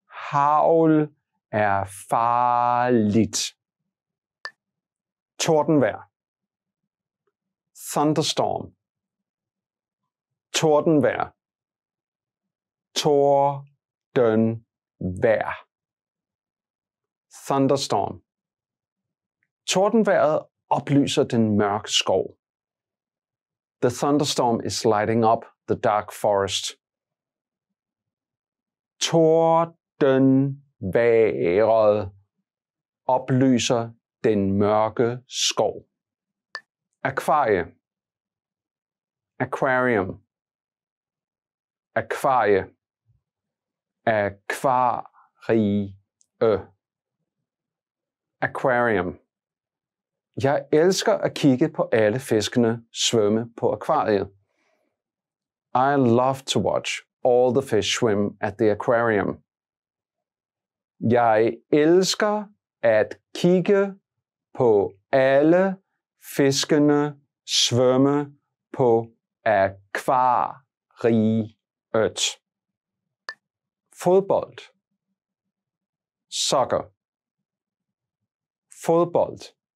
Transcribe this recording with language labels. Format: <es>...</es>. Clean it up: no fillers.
<da>Havl er farligt. Tordenvejr. Thunderstorm. Tordenvejr. Tordenvejr. Thunderstorm. Tordenvejret oplyser den mørke skov.</da> <en>The thunderstorm is lighting up the dark forest.</en> <da>Tordenvejret oplyser den mørke skov. Akvarie. Aquarium. Akvarie. Akvarie.</da> <en>Aquarium.</en> <da>Jeg elsker at kigge på alle fiskene svømme på akvariet.</da> <en>I love to watch all the fish swim at the aquarium.</en> <da>Jeg elsker at kigge på alle fiskene svømme på akvariet. Fodbold. Soccer. Fodbold.</da>